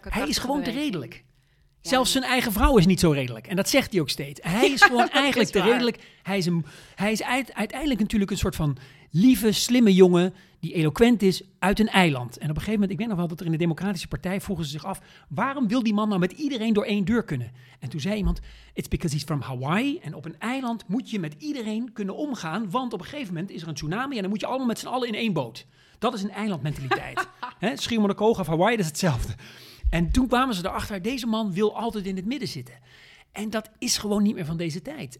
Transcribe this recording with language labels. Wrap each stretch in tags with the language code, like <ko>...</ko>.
<nl>kracht. Hij is gewoon te redelijk. Zelfs zijn eigen vrouw is niet zo redelijk. En dat zegt hij ook steeds. Hij is gewoon eigenlijk te redelijk. Hij is uiteindelijk natuurlijk een soort van lieve, slimme jongen die eloquent is uit een eiland. En op een gegeven moment, ik weet nog wel dat er in de Democratische Partij vroegen ze zich af, waarom wil die man nou met iedereen door één deur kunnen? En toen zei iemand,</nl> <en>it's because he's from Hawaii.</en> <nl>En op een eiland moet je met iedereen kunnen omgaan, want op een gegeven moment is er een tsunami en dan moet je allemaal met z'n allen in één boot. Dat is een eilandmentaliteit. Schiermonnikoog of Hawaii, dat is hetzelfde. En toen kwamen ze erachter, deze man wil altijd in het midden zitten. En dat is gewoon niet meer van deze tijd.</nl>